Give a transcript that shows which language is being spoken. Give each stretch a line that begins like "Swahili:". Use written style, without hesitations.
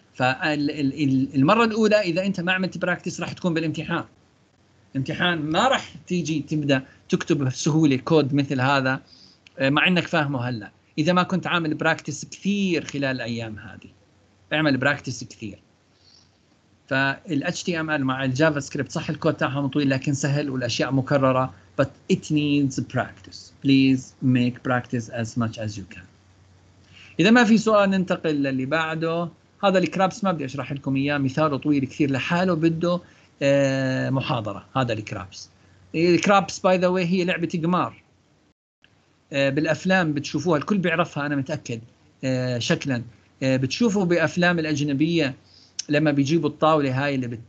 Arabic: فالمرة الأولى إذا أنت ما عملت براكتس راح تكون بالامتحان، امتحان ما راح تيجي تبدأ تكتب بسهولة كود مثل هذا مع أنك فاهمه هلأ، إذا ما كنت عامل براكتس كثير خلال الأيام هذه، بعمل براكتس كثير. فال HTML مع الجافا سكريبت صح الكود تاعها مطويل لكن سهل والأشياء مكررة،
English: but it needs practice, please make practice as much as you can.
Arabic: إذا ما في سؤال ننتقل للي بعده. هذا الكرابس ما بدي اشرح لكم اياه، مثاله طويل كثير لحاله بده محاضره. هذا الكرابس، الكرابس باي ذا واي هي لعبه قمار، بالافلام بتشوفوها الكل بيعرفها انا متاكد، شكلا بتشوفوا بافلام الاجنبيه لما بيجيبوا الطاوله هاي اللي